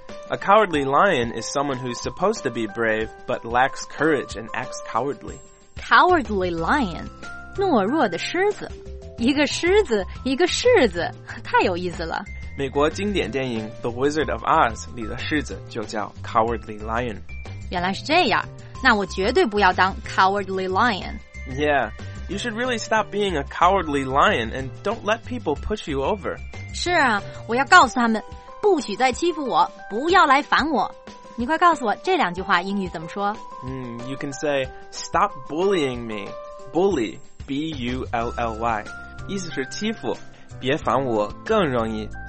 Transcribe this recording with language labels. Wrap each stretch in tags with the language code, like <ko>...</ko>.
<en>A cowardly lion is someone who's supposed to be brave, but lacks courage and acts cowardly.</en> <zh>Cowardly lion, 懦弱的狮子。一个狮子，一个柿子，太有意思了。美国经典电影《The Wizard of Oz》里的狮子就叫 Cowardly Lion。原来是这样，那我绝对不要当 Cowardly Lion。</zh> <en>Yeah, you should really stop being a cowardly lion and don't let people push you over.</en> <zh>是啊，我要告诉他们，不许再欺负我，不要来烦我。你快告诉我这两句话英语怎么说？</zh> <en>You can say, stop bullying me. Bully, B-U-L-L-Y.</en> <zh>意思是欺负，别烦我更容易。</zh>